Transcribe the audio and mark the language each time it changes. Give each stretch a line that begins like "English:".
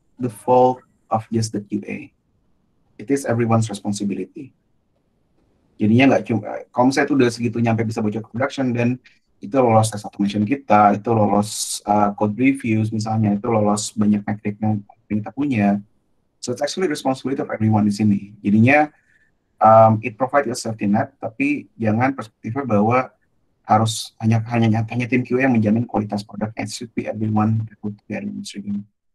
English: the fault of just the QA. It is everyone's responsibility.
Indonesian: Jadinya nggak cuma, kalau misalnya itu udah segitu nyampe bisa bocor ke production, dan itu lolos test automation kita, itu lolos code reviews misalnya, itu lolos banyak metric yang kita punya.
English: So it's actually responsibility of everyone
Indonesian: di sini. Jadinya
English: it provides a safety net,
Indonesian: tapi jangan perspektifnya bahwa harus hanya tim QA yang menjamin kualitas produk.
English: It should be everyone that put their industry in.